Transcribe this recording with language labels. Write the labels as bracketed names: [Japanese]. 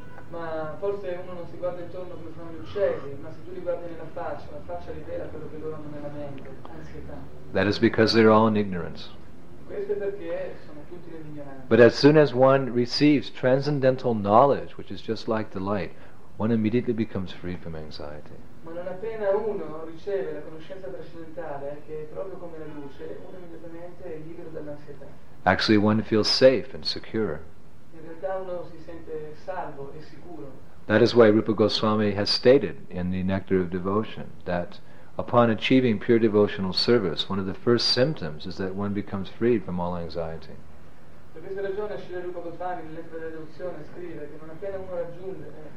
[Italian] Ma forse uno non si guarda intorno come fanno gli uccelli, ma se tu li guardi nella faccia, la faccia rivela quello che loro hanno nella mente, ansietà. [English] That is because they're all in ignorance. [Italian] Questo è perché sono tutti nell'ignoranza. [English] But as soon as one receives transcendental knowledge, which is just like the light, one immediately becomes free from anxiety. [Italian] Ma non appena uno riceve la conoscenza trascendentale, che è proprio come la luce, uno immediatamente è libero dall'ansietà. [English] Actually, one feels safe and secure. [Italian] In realtà uno si sente salvo e sicuro. [English] That is why Rupa Goswami has stated in the Nectar of Devotion that upon achieving pure devotional service, one of the first symptoms is that one becomes freed from all anxiety. [Italian] Per questa ragione Srila Rupa Goswami nel Nectar della Devozione scrive che non appena uno raggiunge